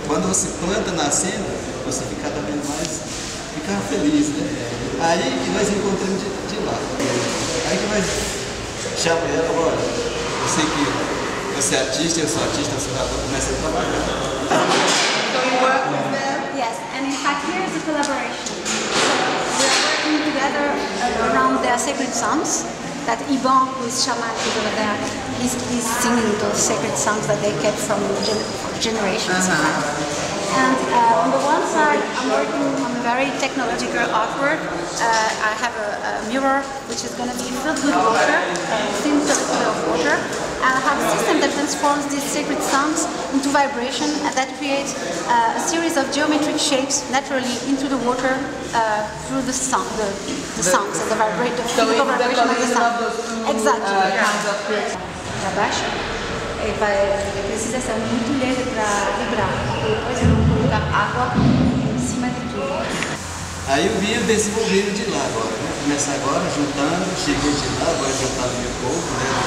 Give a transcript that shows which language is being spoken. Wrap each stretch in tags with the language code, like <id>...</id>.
<pt>Quando você planta nascendo, você fica também mais, fica feliz, né? Aí nós encontramos de lá. Aí que vai chamar ela, olha, eu sei que você é artista, eu sou artista, você vai começar a trabalhar.</pt> <en>So you work with them? Yes, and in fact here is a collaboration. So we are working together around their sacred songs that Yvon, who is shaman over there, he's singing those sacred songs that they kept from generations. And on the one side, I'm working on a very technological artwork. I have a mirror which is going to be filled with water, thin filter of water. And I have a system that transforms these sacred sounds into vibration and that creates a series of geometric shapes naturally into the water through the sound, the sounds and the vibration of the sound. Exactly. Yeah.</en> <pt>E vai, precisa ser muito leve para vibrar. Depois eu vou colocar água em cima de tudo. Aí eu vim desenvolvendo de lá agora. Começa agora, juntando, cheguei de lá, agora juntando meu corpo, né?</pt>